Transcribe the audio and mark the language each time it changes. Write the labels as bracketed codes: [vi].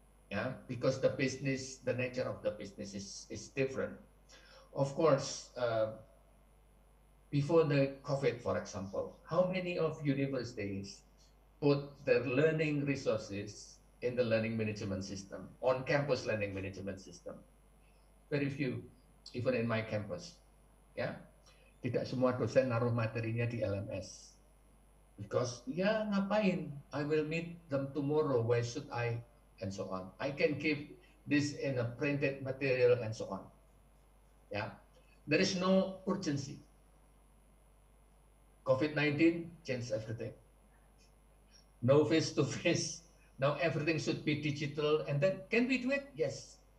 [en] Yeah, because the business, the nature of the business is different. Of course, before the COVID, for example, how many of universities put their learning resources in the learning management system, on campus learning management system? Very few, even in my campus. [id] Yeah, tidak semua dosen naruh materinya di LMS. [en] Because, [id] ya ngapain, [en] I will meet them tomorrow, why should I, and so on. I can keep this in a printed material, and so on. Yeah, there is no urgency. COVID-19 changed everything. No face-to-face, now everything should be digital, and then, can we do it? Yes.